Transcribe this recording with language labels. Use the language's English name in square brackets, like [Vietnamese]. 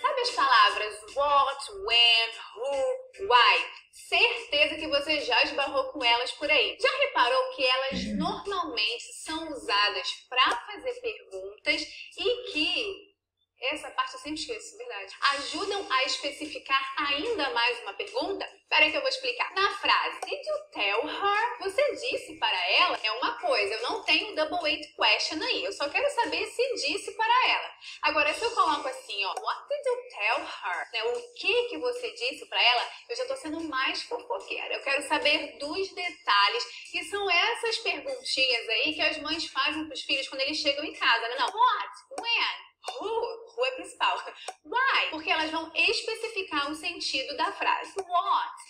[Portuguese] Sabe as palavras what, when, who, why? Certeza que você já esbarrou com elas por aí. Já reparou que elas normalmente são usadas para fazer perguntas e que, essa parte eu sempre esqueço, verdade, ajudam a especificar ainda mais uma pergunta? Espera que eu vou explicar. Na frase [English] Did you tell her? [Portuguese] Você disse para ela? É uma coisa, eu não tenho double weight question aí. Eu só quero saber se disse para ela. Agora, se eu coloco assim, ó, [English] What did you tell her? [Portuguese] Né, o que você disse para ela? Eu já estou sendo mais fofoqueira. Eu quero saber dos detalhes, que são essas perguntinhas aí que as mães fazem para os filhos quando eles chegam em casa, né? Não, What? When? Who é principal? Why? Porque elas vão especificar o sentido da frase. What?